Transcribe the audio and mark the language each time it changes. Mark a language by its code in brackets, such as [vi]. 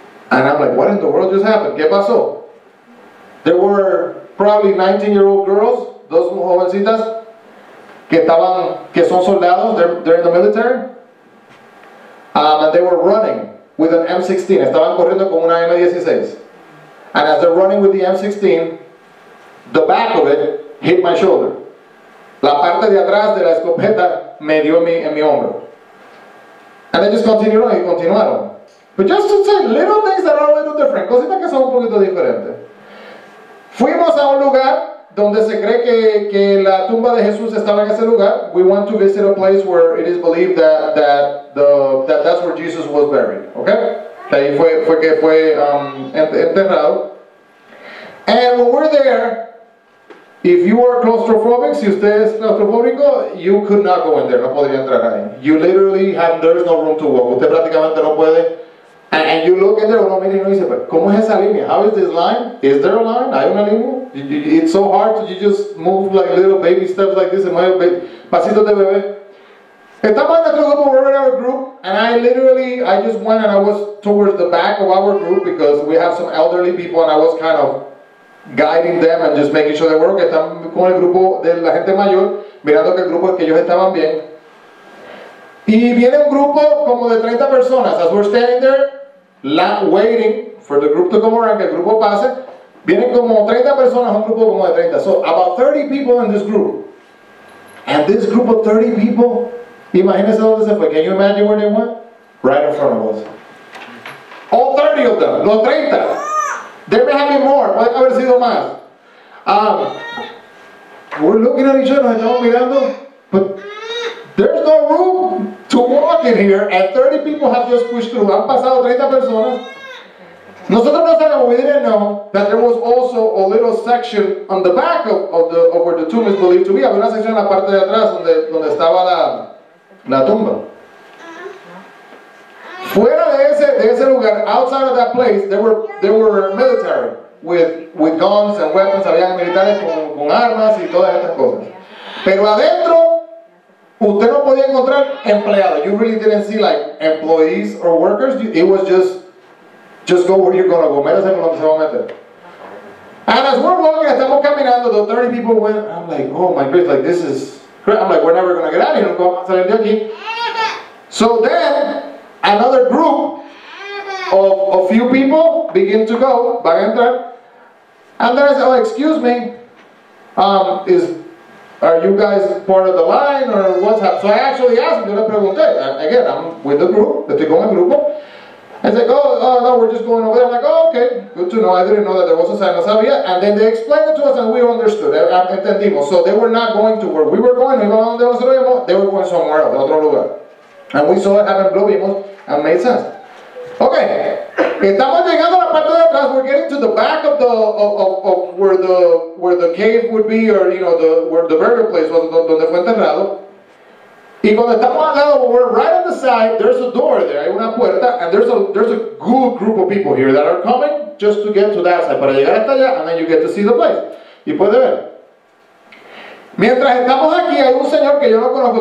[en] And I'm like, what in the world just happened? [es] ¿Qué pasó? [en] There were probably 19-year-old girls, [es] dos jovencitas, que son soldados, [en] they're in the military. And they were running with an M16. [es] Estaban corriendo con una M16. [en] And as they're running with the M16, the back of it hit my shoulder. [es] La parte de atrás de la escopeta me dio en mi hombro. [en] And they just continued on, [es] y continuaron. [en] But just to say, little things that are a little different. [es] Cositas que son un poquito diferentes. Fuimos a un lugar donde se cree que la tumba de Jesús estaba en ese lugar. [en] We went to visit a place where it is believed that's where Jesus was buried. [es] Okay? Ahí fue que fue enterrado. [en] And when we're there, if you are claustrophobic, [es] si usted es claustrofóbico, [en] you could not go in there. [es] No podría entrar ahí. [en] You literally have, there's no room to walk. [es] Usted prácticamente no puede. [en] And you look in there, [es] uno mira y uno dice, pero ¿cómo es esa línea? [en] How is this line? Is there a line? [es] ¿Hay una línea? [en] It's so hard to just move like little baby steps like this. [es] Pasitos de bebé. Estamos en otro grupo, [en] we're in our group, and I just went and I was towards the back of our group because we have some elderly people and I was kind of guiding them and just making sure they were okay. [es] Están con el grupo de la gente mayor, mirando que el grupo es que ellos estaban bien. Y viene un grupo como de 30 personas, [en] as we're standing there, waiting for the group to come around, [es] que el grupo pase, vienen como 30 personas, un grupo como de 30. [en] So, about 30 people in this group. And this group of 30 people, [es] imagínense dónde se fue. [en] Can you imagine where they went? Right in front of us. All 30 of them. [es] Los 30. [en] There may have been more. [es] Puede haber sido más. [en] We're looking at each other. [es] Estamos mirando. [en] But there's no room to walk in here. And 30 people have just pushed through. [es] Han pasado 30 personas. Nosotros no sabemos. [en] We didn't know that there was also a little section on the back of where the tomb is believed to be. [es] Había una sección en la parte de atrás donde estaba la tumba. Fuera de ese lugar, [en] outside of that place, there were military with guns and weapons. [es] Habían militares con armas y todas estas cosas. Pero adentro, usted no podía encontrar empleados. [en] You really didn't see like employees or workers. It was just go where you're gonna go. [es] Métase por donde se va a meter. [en] And as we're walking, [es] estamos caminando, [en] the 30 people went, I'm like, oh my goodness, like this is, I'm like, we're never gonna get out of here. [es] No vamos a salir de aquí. [en] So then, another group of a few people begin to go, [es] van a entrar. [en] And then I said, oh, excuse me, are you guys part of the line or what's happening? So I actually asked, [es] yo le pregunté, [en] again, I'm with the group, [es] estoy con el grupo. [en] I said, oh, no, we're just going over there. I'm like, oh, okay, good to know. I didn't know that there was a sign, [es] no sabía. [en] And then they explained it to us and we understood. [es] Entendimos. [en] So they were not going to where we were going. We were on the other side. They were going somewhere else, [es] otro lugar. [en] And we saw it happen, [es] lo vimos, [en] and made sense. [es] Okay, estamos llegando a la parte de atrás. [en] We're getting to the back of where the cave would be, or you know, where the burial place was, [es] donde fue enterrado. Y cuando estamos al lado, [en] we're right on the side. There's a door there, [es] una puerta, [en] and there's a good group of people here that are coming just to get to that side, [es] para llegar hasta allá, [en] and then you get to see the place. [es] Y puede ver. Mientras estamos aquí, hay un señor que yo no conozco.